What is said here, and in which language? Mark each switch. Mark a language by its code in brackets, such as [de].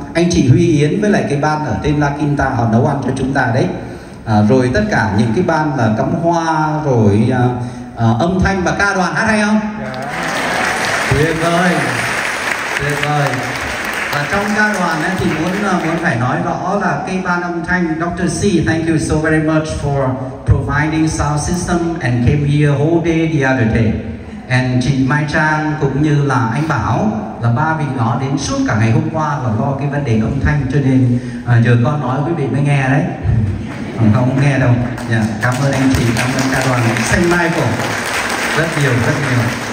[vi] Anh chị Huy Yến với lại cái ban ở trên La Quinta họ nấu ăn cho chúng ta đấy. Rồi tất cả những cái ban là cắm hoa rồi âm thanh và ca đoàn hát hay không? Dạ. Tuyệt vời. Tuyệt vời. Và trong ca đoàn ấy thì muốn phải nói rõ là cái ban âm thanh Dr. [en] C, thank you so very much for providing sound system and came here whole day the other day. [vi] And chị Mai Trang cũng như là anh Bảo là ba vị đó đến suốt cả ngày hôm qua và lo cái vấn đề âm thanh cho nên giờ con nói quý vị mới nghe đấy. Không nghe đâu. Dạ, cảm ơn anh chị, cảm ơn ca đoàn xanh mai của rất nhiều, rất nhiều.